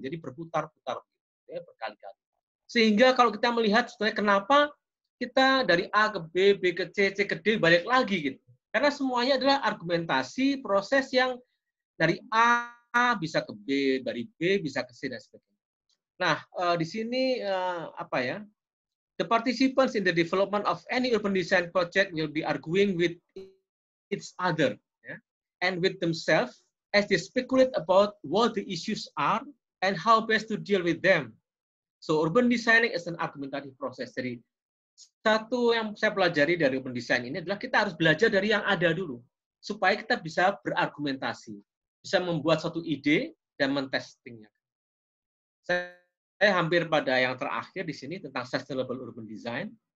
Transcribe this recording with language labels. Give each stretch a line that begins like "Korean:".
Indonesian: Jadi berputar-putar, ya, berkali-kali. Sehingga kalau kita melihat sebenarnya kenapa kita dari A ke B, B ke C, C ke D, balik lagi gitu. Karena semuanya adalah argumentasi proses yang dari A bisa ke B, dari B bisa ke C dan sebagainya. Nah, di sini apa ya?
English: The participants in the development of any urban design project will be arguing with each other and with themselves as they speculate about what the issues are and how best to deal with them. So, urban designing is an argumentative process.
Indonesian: Jadi, satu yang saya pelajari dari urban design ini adalah kita harus belajar dari yang ada dulu supaya kita bisa berargumentasi, bisa membuat satu ide dan mentestingnya. Saya hampir pada yang terakhir di sini tentang sustainable urban design.